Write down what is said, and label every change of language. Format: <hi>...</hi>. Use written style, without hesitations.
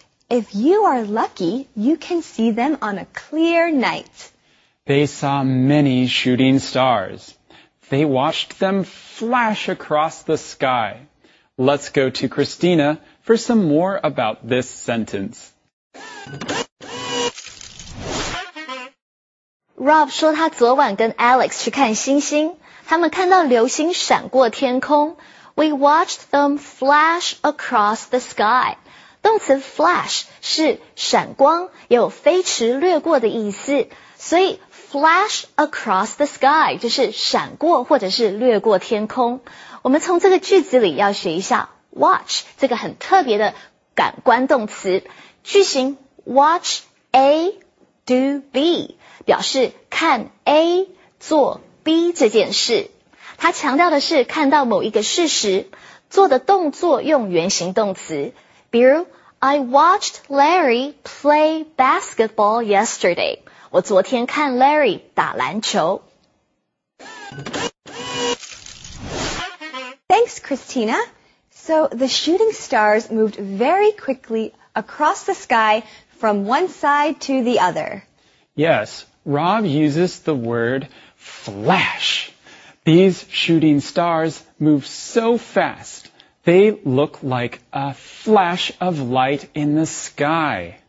<en>If you are lucky, you can see them on a clear night. They saw many shooting stars. They watched them flash across the sky. Let's go to Christina for some more about this sentence.</en> <zh>Rob 说他昨晚跟 Alex 去看星星。他们看到流星闪过天空。</zh> <en>We watched them flash across the sky.</en> <zh>动词 flash 是闪光，有飞驰掠过的意思。所以</zh> <en>flash across the sky</en> <zh>就是闪过或者是掠过天空。我们从这个句子里要学一下 watch 这个很特别的感官动词。句型</zh> <en>watch A do B</en> <zh>表示看 A 做B 这件事，它强调的是看到某一个事实，做的动作用原形动词。比如</zh> <en>，I watched Larry play basketball yesterday。</en> <zh>我昨天看 Larry 打篮球。</zh> <en>Thanks, Christina. So the shooting stars moved very quickly across the sky from one side to the other. Yes, Rob uses the word flash. These shooting stars move so fast, they look like a flash of light in the sky.</en>